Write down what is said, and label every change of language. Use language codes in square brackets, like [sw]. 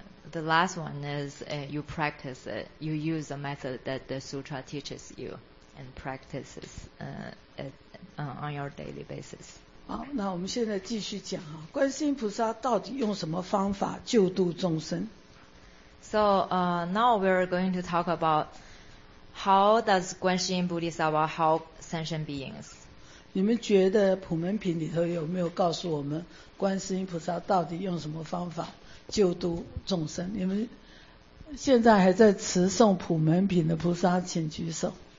[en] The last one is you practice it, you use the method that the sutra teaches you. And practices on your daily basis. [zh] 好，那我们现在继续讲啊，观世音菩萨到底用什么方法救度众生 [en] ？So now we're going to talk about how does 观世音菩萨 help sentient beings. [zh] 你们觉得普门品里头有没有告诉我们观世音菩萨到底用什么方法救度众生？你们现在还在持诵普门品的菩萨，请举手。